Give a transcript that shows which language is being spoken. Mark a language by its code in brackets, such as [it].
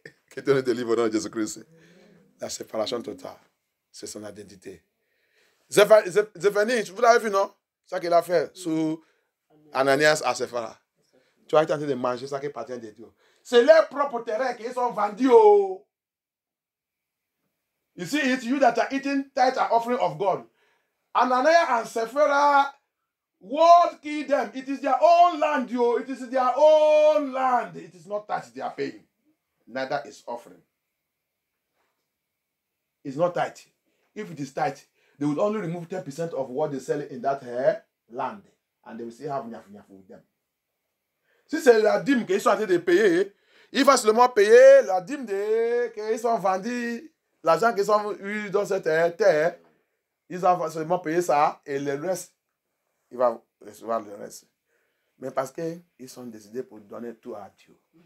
[fr] Que tu nous délivres dans Jésus-Christ. La séparation totale, c'est son identité. Zéphanie, vous l'avez vu, non? Ça qu'il a fait sous Ananias à Séphara. Tu as été en train de manger ça qui appartient de Dieu. C'est leur propre terrain qu'ils ont vendu. [en] You see, it's you that are eating tithe and offering of God. Ananias and Séphara, what killed them? It is their own land, yo. It is their own land. It is not tithe they are paying. Neither is offering. It's not tithe. If it is tithe, they would only remove 10% of what they sell in that land. And they will still have nyafu nyafu with them. [fr] Si c'est la dîme qu'ils sont en train de payer, ils vont seulement payer la dîme de qu'ils ont vendu, l'argent qu'ils ont eu dans cette terre, ils vont seulement payer ça et le reste, ils vont recevoir le reste. Mais parce qu'ils sont décidés pour donner tout à Dieu.